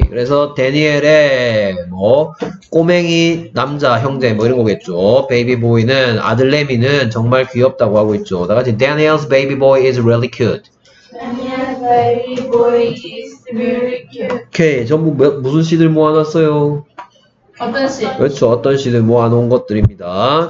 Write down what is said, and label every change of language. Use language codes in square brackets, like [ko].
[ko] 그래서 데니엘의 뭐 꼬맹이 남자 형제 뭐 이런 거겠죠. 베이비 보이는 아들 레미는 정말 귀엽다고 하고 있죠. 다 같이 [en] Daniel's baby boy is really cute. Daniel's baby boy is really cute. [ko] 오케이. 전부 무슨 시들 모아놨어요? 어떤 시? 그렇죠. 어떤 시들 모아놓은 것들입니다.